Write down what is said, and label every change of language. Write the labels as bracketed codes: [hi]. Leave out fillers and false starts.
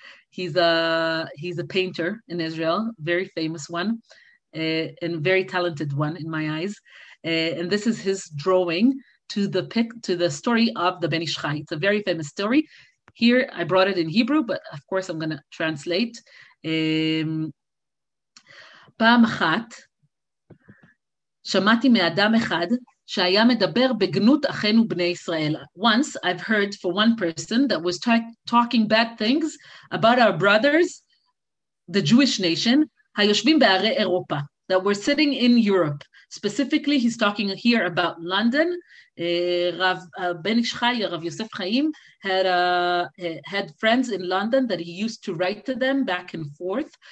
[en] He's a painter in Israel, very famous one, and very talented one in my eyes. And this is his drawing to the story of the Ben Ish Chai. It's a very famous story. Here, I brought it in Hebrew, but of course, I'm going to translate. [he] פעם אחת שמעתי מאדם אחד שהיה מדבר בגנות אחינו בני ישראל. [en] Once I've heard for one person that was talking bad things about our brothers, the Jewish nation, [he] היושבים בערי אירופה. [en] that we're sitting in Europe. Specifically, he's talking here about London. Rav Ben Ish Chai, Rav Yosef Chaim, had friends in London that he used to write to them back and forth.